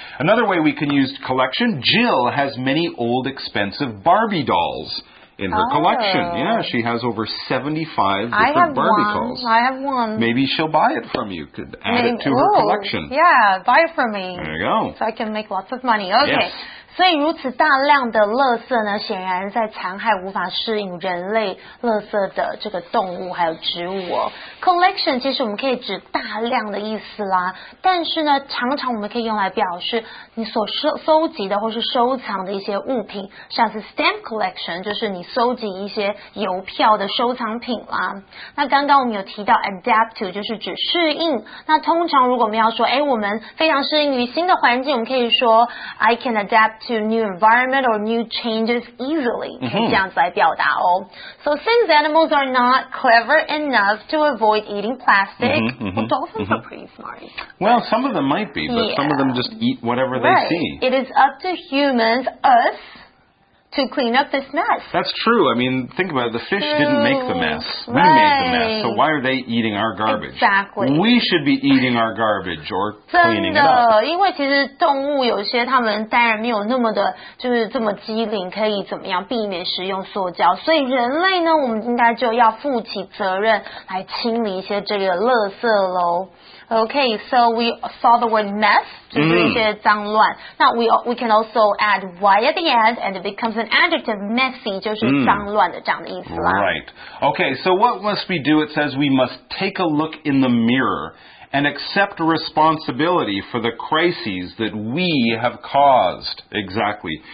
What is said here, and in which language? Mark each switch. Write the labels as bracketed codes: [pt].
[en] Another way we can use collection, Jill has many old expensive Barbie dolls. In her、 oh. collection. Yeah, she has over 75 different Barbie dolls. I have one. Maybe she'll buy it from you. Could add、 Maybe. It to、 Ooh. Her collection. Yeah, buy it from me. There you go. So I can make lots of money. Okay.、 Yes. [zh] 所以如此大量的垃圾呢，显然在残害无法适应人类垃圾的这个动物还有植物哦。 Collection 其实我们可以指大量的意思啦，但是呢，常常我们可以用来表示你所收集的或是收藏的一些物品，像是 stamp collection 就是你收集一些邮票的收藏品啦。那刚刚我们有提到 adapt to 就是指适应，那通常如果我们要说，哎，我们非常适应于新的环境，我们可以说 [en] I can adapt to new environment or new changes easily. [zh] 可以这样子来表达哦。 [en] So since animals are not clever enough to avoid eating plastic, well, dolphins are pretty smart. Well, some of them might be, but some of them just eat whatever they see. It is up to humans, us, to clean up this mess. That's true. I mean, think about it. The fish didn't make the mess. We made the mess. So why are they eating our garbage? Exactly. We should be eating our garbage or cleaning it up. [zh] 真的，因为其实动物有些它们当然没有那么的，就是这么机灵，可以怎么样避免食用塑胶。所以人类呢，我们应该就要负起责任来清理一些这个垃圾咯。 [en] Okay, so we saw the word mess, [zh] 就是一些脏乱。 [en] Now we can also add y at the end, and it becomes an adjective, messy, [zh] 就是脏乱的这样的意思啦。 [en] Right. Okay, so what must we do? It says we must take a look in the mirror and accept responsibility for the crises that we have caused. Exactly.